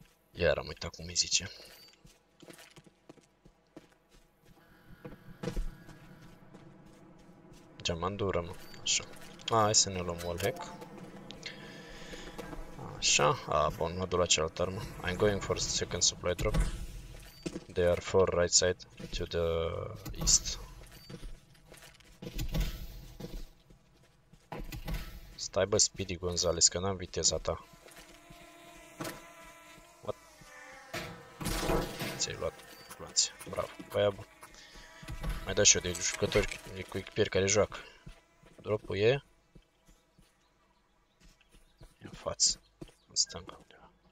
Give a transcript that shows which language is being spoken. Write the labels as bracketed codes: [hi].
[ro] Iar am uitat cum îi zice. Geamandură, mă. Așa. A, hai să ne luăm wallhack. Așa. A, bun, mă duc la cealaltă armă. [en] I'm going for the second supply drop. They are for right side to the east. [ro] Stai bă, Speedy Gonzales, că n-am viteza ta. [en] What? [ro] Ți-ai luat gloanțe. Bravo, băia bun. Mai dat și eu de jucători cu echipieri care joacă. Dropul e în față, în stânga undeva.